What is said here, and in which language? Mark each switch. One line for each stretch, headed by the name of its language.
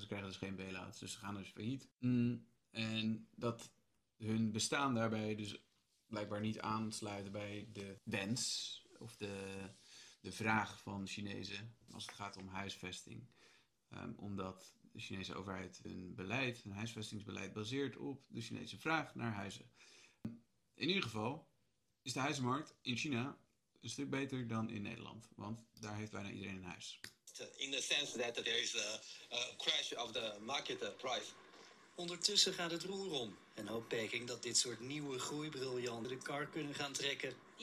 Dutch: Ze krijgen dus geen bail-out, dus ze gaan dus failliet. En dat hun bestaan daarbij dus blijkbaar niet aansluit bij de wens of de vraag van Chinezen als het gaat om huisvesting, omdat de Chinese overheid hun beleid, hun huisvestingsbeleid, baseert op de Chinese vraag naar huizen. In ieder geval is de huizenmarkt in China een stuk beter dan in Nederland, want daar heeft bijna iedereen een huis.
English: In the sense that there is a crash of the market price.
Dutch: Ondertussen gaat het roer om en hoopt Peking dat dit soort nieuwe groeibriljanten de kar kunnen gaan trekken.